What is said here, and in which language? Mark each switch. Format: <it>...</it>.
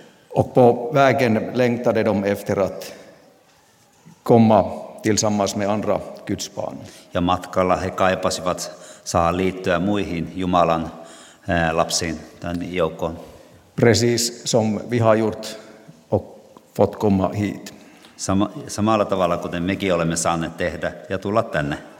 <sv>Och på vägen längtade de efter att komma tillsammans med andra Guds barn.</sv> <fi>Ja matkalla he kaipasivat saa liittyä muihin Jumalan lapsiin tämän joukkoon.</fi> <sv>Precis som vi har gjort och fått komma hit.</sv> <fi>Samalla tavalla kuten mekin olemme saaneet tehdä ja tulla tänne.</fi>